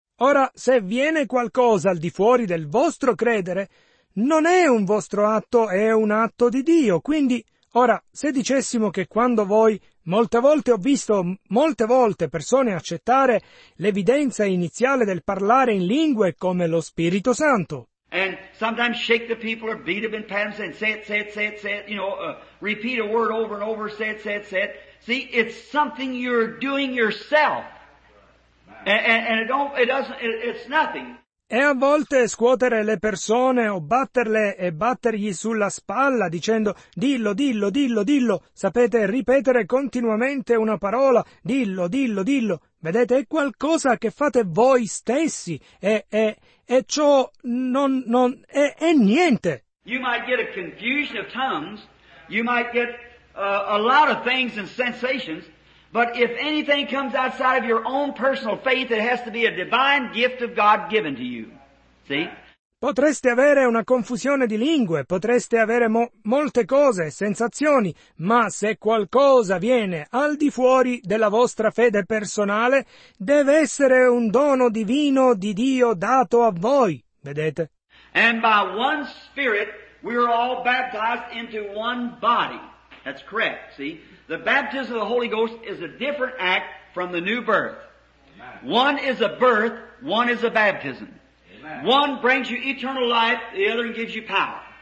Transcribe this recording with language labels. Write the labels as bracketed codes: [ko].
[it] Ora, se viene qualcosa al di fuori del vostro credere, non è un vostro atto, è un atto di Dio. Quindi, ora, se dicessimo che quando voi, molte volte ho visto persone accettare l'evidenza iniziale del parlare in lingue come lo Spirito Santo. [en] And sometimes shake the people or beat them and pat them and say it, you know, repeat a word over and over, say it. See, it's something you're doing yourself. And it's nothing. [it] E a volte scuotere le persone o batterle e battergli sulla spalla dicendo dillo, sapete, ripetere continuamente una parola, dillo, vedete, è qualcosa che fate voi stessi e ciò non è niente. [en] You might get a confusion of tongues, you might get a lot of things and sensations, but if anything comes outside of your own personal faith, it has to be a divine gift of God given to you. See? [it] Potreste avere una confusione di lingue, potreste avere molte cose, sensazioni, ma se qualcosa viene al di fuori della vostra fede personale, deve essere un dono divino di Dio dato a voi. Vedete? [en] And by one spirit we are all baptized into one body. That's correct, see? The baptism of the Holy Ghost is a different act from the new birth. Amen. One is a birth, one is a baptism. Amen. One brings you eternal life, the other gives you power.